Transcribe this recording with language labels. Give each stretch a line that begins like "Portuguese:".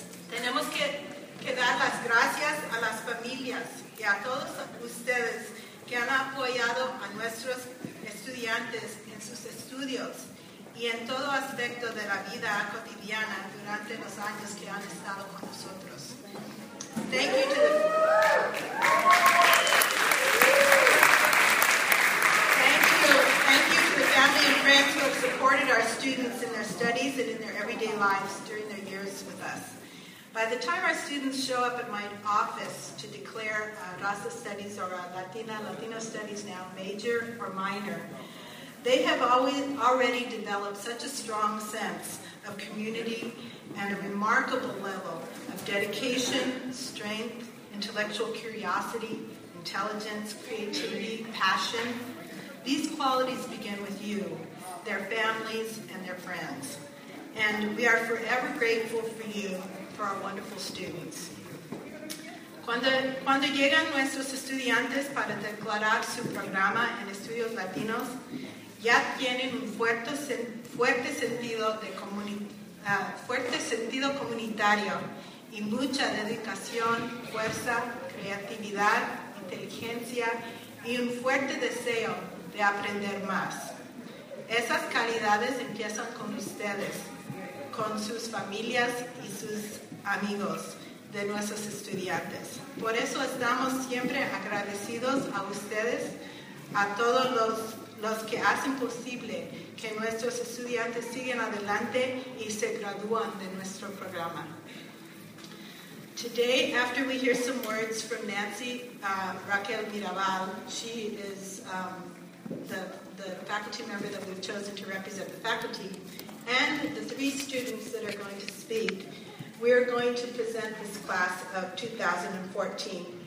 Spanish: Tenemos que dar las gracias a las familias y a todos ustedes que han apoyado a nuestros estudiantes en sus estudios y en todo aspecto de la vida cotidiana durante los años que han estado con nosotros.
English: Thank you to the family and friends who have supported our students in their studies and in their everyday lives during their years with us. By the time our students show up at my office to declare a Raza Studies or a Latino Studies now major or minor, they have already developed such a strong sense of community and a remarkable level of dedication, strength, intellectual curiosity, intelligence, creativity, passion. These qualities begin with you, their families, and their friends. And we are forever grateful for you, for our wonderful students.
Spanish: Cuando llegan nuestros estudiantes para declarar su programa en estudios latinos, ya tienen un fuerte sentido comunitario y mucha dedicación, fuerza, creatividad, inteligencia y un fuerte deseo de aprender más. Esas calidades empiezan con ustedes, con sus familias y sus amigos de nuestros estudiantes. Por eso estamos siempre agradecidos a ustedes, a todos los que hacen posible que nuestros estudiantes sigan adelante y se gradúan de nuestro programa.
English: Today, after we hear some words from Nancy Raquel Mirabal, she is the faculty member that we've chosen to represent the faculty, and the three students that are going to speak, we are going to present this class of 2014.